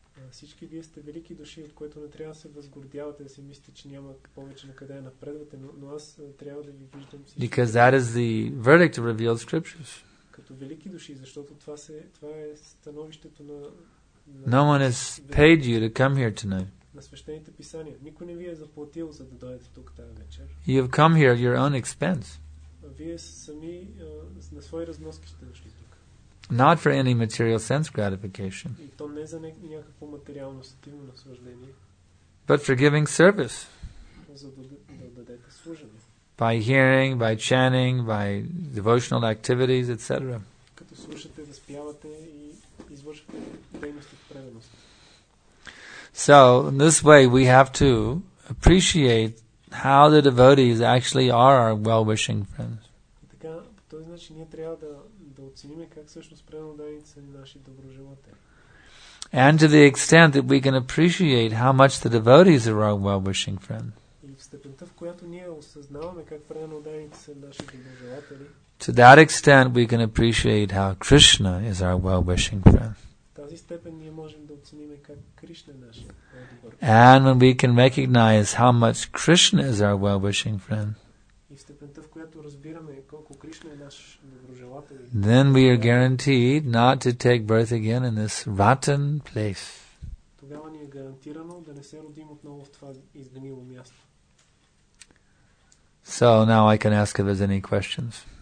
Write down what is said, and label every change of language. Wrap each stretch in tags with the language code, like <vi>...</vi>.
<bg>всички вие сте велики души, от което не трябва да се възгордявате, да си мислите, че няма повече на къде напредвате, но аз трябва да ви виждам всички.</bg> <en>Because that is the verdict of revealed scriptures.</en> <bg>Като велики души, защото това, се, това е становището на, на...</bg> <en>No one has paid you to come here tonight.</en> <bg>На свещените писания. Никой не ви е заплатил, за да дойдете тук тази вечер.</bg> <en>You have come here at your own expense.</en> <bg>Вие сами на свои разноски сте дошли.</bg> <en>Not for any material sense gratification.</en> <bg>И то не за някакво материално стимулирано наслаждение.</bg> <en>But for giving service.</en> <bg>За да дадете служене.</bg> <en>By hearing, by chanting, by devotional activities, etc.</en> <bg>Като слушате, заспявате и извършвате дейности в преданост.</bg> <en>So, in this way we have to appreciate how the devotees actually are our well-wishing friends.</en> <bg>И така, по този начин ние трябва да оцениме как всъщност преданите са наши доброжелатели.</bg> <en>And to the extent that we can appreciate how much the devotees are our well-wishing friends.</en> <bg>И в степента, в която ние осъзнаваме как преданите са наши доброжелатели.</bg> <en>To that extent we can appreciate how Krishna is our well-wishing friend.</en> <bg>В тази степен ние можем да оцениме как Кришна е наш добър приятел.</bg> <en>And when we can recognize how much Krishna is our well-wishing friend.</en> <bg>И в степента, в която разбираме колко Кришна е наш доброжелател.</bg> <en>Then we are guaranteed not to take birth again in this rotten place.</en> <bg>Тогава ни е гарантирано да не се родим отново в това изгнило място.</bg> <en>So now I can ask if there's any questions.</en>